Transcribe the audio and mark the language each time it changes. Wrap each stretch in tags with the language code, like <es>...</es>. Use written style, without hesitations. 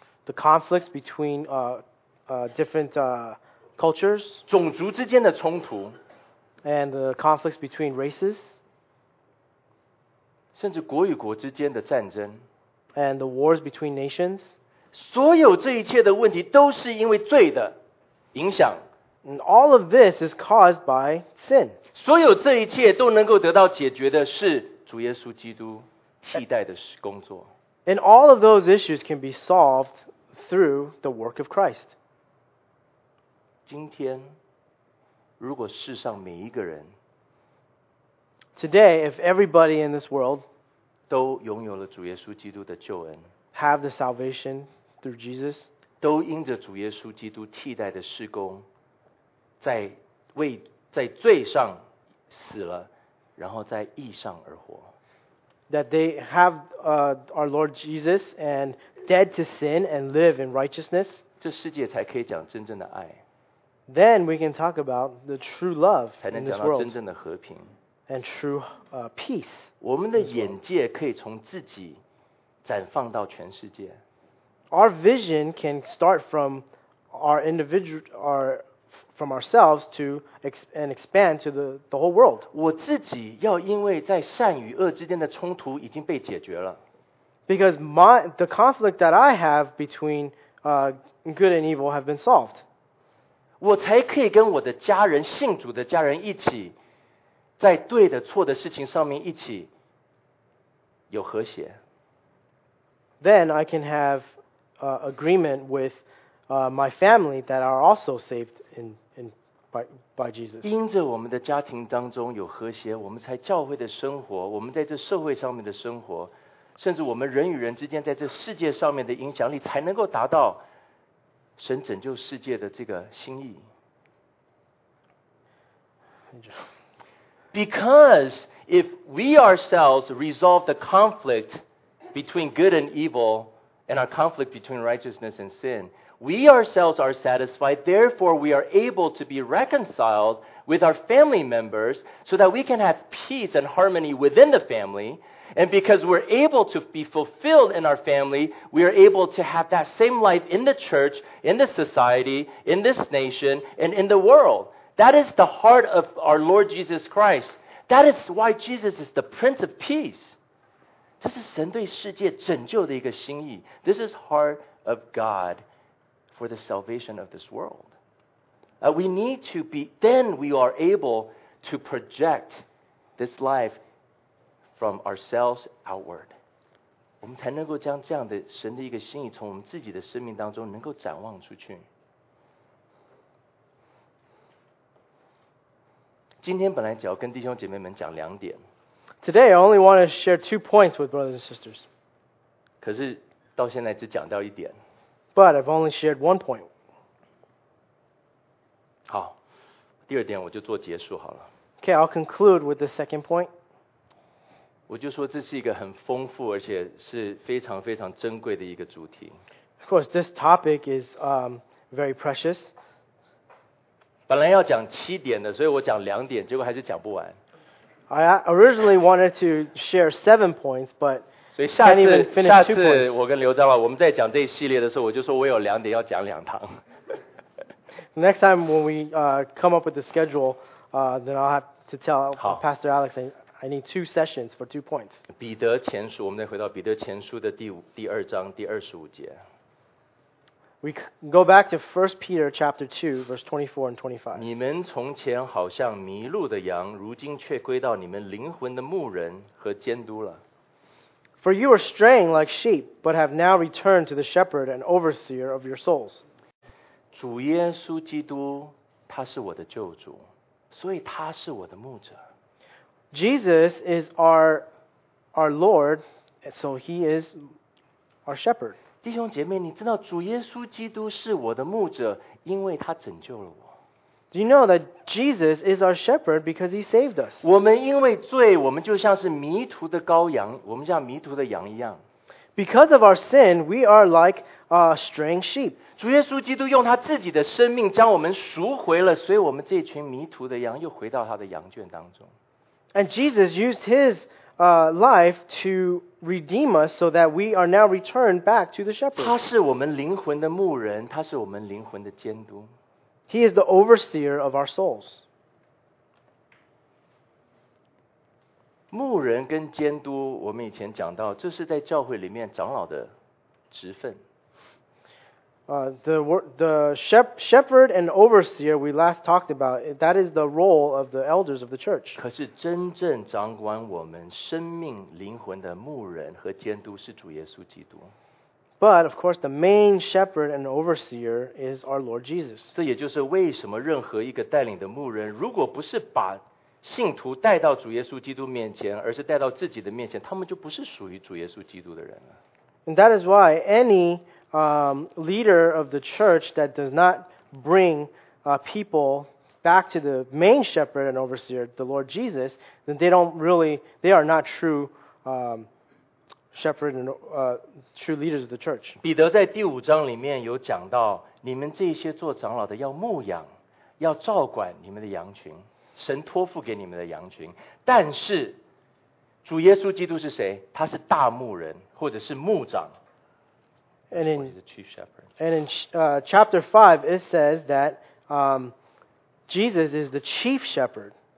<en>the conflicts between different cultures,</en> <zh>种族之间的冲突</zh> <en>and the conflicts between races,</en> <zh>甚至国与国之间的战争</zh> <en>and the wars between nations,</en> <zh>所有这一切的问题都是因为罪的影响</zh> <en>And all of this is caused by sin.</en> <zh>所有这一切都能够得到解决的是主耶稣基督替代的工作。</zh> <en>And all of those issues can be solved through the work of Christ.</en> <zh>今天，如果世上每一个人</zh> <en>Today, if everybody in this world</en> <zh>都拥有了主耶稣基督的救恩</zh> <en>have the salvation through Jesus</en> <zh>都因着主耶稣基督替代的事工在为在罪上死了，然后在义上而活。</zh> <en>That they have our Lord Jesus and dead to sin and live in righteousness.</en> <zh>这世界才可以讲真正的爱。</zh> <en>Then we can talk about the true love in this world.</en> <zh>才能讲到真正的和平。</zh> <en>And true peace.</en> <zh>我们的眼界可以从自己展放到全世界。</zh> <en>Our vision can start from our individual from ourselves to expand to the whole world.</en> <zh>我自己要因为在善与恶之间的冲突已经被解决了。</zh> <en>Because the conflict that I have between good and evil have been solved.</en> <zh>我才可以跟我的家人信主的家人一起在对的错的事情上面一起有和谐。</zh> <en>Then I can have agreement with my family that are also saved by Jesus.</en> <zh>因着我们的家庭当中有和谐，我们才教会的生活，我们在这社会上面的生活，甚至我们人与人之间在这世界上面的影响力，才能够达到神拯救世界的这个心意。</zh> <en>Because if we ourselves resolve the conflict between good and evil, and our conflict between righteousness and sin. We ourselves are satisfied, therefore we are able to be reconciled with our family members so that we can have peace and harmony within the family. And because we're able to be fulfilled in our family, we are able to have that same life in the church, in the society, in this nation, and in the world. That is the heart of our Lord Jesus Christ. That is why Jesus is the Prince of Peace.</en> <zh>这是神对世界拯救的一个心意。</zh> <en>This is heart of God. For the salvation of this world. We need to be, then we are able to project this life from ourselves outward.</en> <zh>我们才能够将这样的神的一个心意从我们自己的生命当中能够展望出去。今天本来只要跟弟兄姐妹们讲两点。</zh> <en>Today I only want to share two points with brothers and sisters.</en> <zh>可是到现在只讲到一点。</zh> <en>But I've only shared one point.</en> <zh>好，第二点我就做结束好了。</zh> <en>Okay, I'll conclude with the second point.</en> <zh>我就说这是一个很丰富而且是非常非常珍贵的一个主题。</zh> <en>Of course, this topic is very precious.</en> <zh>本来要讲七点的，所以我讲两点，结果还是讲不完。</zh> <en>I originally wanted to share seven points, but</en> <zh>所以下次我跟刘彰老我们在讲这一系列的时候我就说我有两点要讲两堂。</zh> <en>Next time when we come up with the schedule, then I'll have to tell Pastor Alex I need two sessions for two points.</en> <zh>彼得前书我们再回到彼得前书的第二章第二十五节。</zh> <en>We go back to 1 Peter chapter 2, verse 24 and 25.</en> <zh>你们从前好像迷路的羊如今却归到你们灵魂的牧人和监督了。</zh> <en>For you were straying like sheep, but have now returned to the shepherd and overseer of your souls.</en> <zh>主耶稣基督，他是我的救主，所以他是我的牧者。</zh> <en>Jesus is our Lord, so He is our shepherd.</en> <zh>弟兄姐妹，你知道主耶稣基督是我的牧者，因为他拯救了我。</zh> <en>Do you know that Jesus is our shepherd because He saved us?</en> <zh>我们因为罪，我们就像是迷途的羔羊，我们像迷途的羊一样。</zh> <en>Because of our sin, we are like a straying sheep.</en> <zh>主耶稣基督用他自己的生命将我们赎回了，所以我们这群迷途的羊又回到他的羊圈当中。</zh> <en>And Jesus used His life to redeem us so that we are now returned back to the shepherd.</en> <zh>他是我们灵魂的牧人，他是我们灵魂的监督。</zh> <en>He is the overseer of our souls.</en> <zh>牧人跟监督，我们以前讲到，这是在教会里面长老的职分。</zh> <en>The shepherd and overseer we last talked about, that is the role of the elders of the church.</en> <zh>可是真正掌管我们生命灵魂的牧人和监督是主耶稣基督。</zh> <en>But of course, the main shepherd and overseer is our Lord Jesus.</en> <zh>这也就是为什么任何一个带领的牧人，如果不是把信徒带到主耶稣基督面前，而是带到自己的面前，他们就不是属于主耶稣基督的人了。</zh> <en>And that is why any leader of the church that does not bring people back to the main shepherd and overseer, the Lord Jesus, then they are not true leaders of the church.</en> <zh>彼得在第五章里面有讲到，你们这些做长老的要牧养，要照管你们的羊群，神托付给你们的羊群。但是主耶稣基督是谁？他是大牧人，或者是牧长。</zh> <en>And in, chapter 5, it says that Jesus is the chief shepherd.</en>